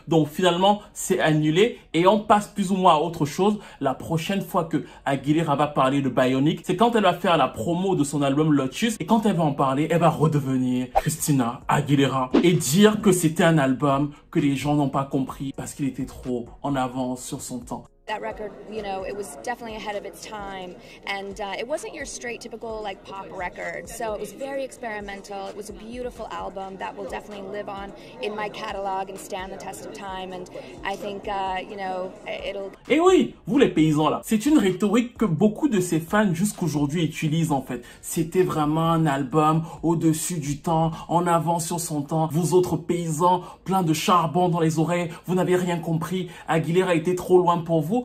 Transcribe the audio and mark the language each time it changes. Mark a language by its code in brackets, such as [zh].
[fr] Donc finalement, c'est annulé et on passe plus ou moins à autre chose. La prochaine fois que Aguilera va parler de Bionic, c'est quand elle va faire la promo de son album Lotus, et quand elle va en parler, elle va redevenir Christina Aguilera et dire que c'était un album que les gens n'ont pas compris parce qu'il était trop en avance sur son temps. [en] That record, you know, it was definitely ahead of its time, and it wasn't your straight typical like pop record, so it was very experimental. It was a beautiful album that will definitely live on in my catalog and stand the test of time, and I think you know, it'll... [fr] Eh oui, vous les paysans là, c'est une rhétorique que beaucoup de ses fans jusqu'aujourd'hui utilisent en fait. C'était vraiment un album au-dessus du temps, en avance sur son temps. Vous autres paysans, plein de charbon dans les oreilles, vous n'avez rien compris. Aguilera a été trop loin pour vous.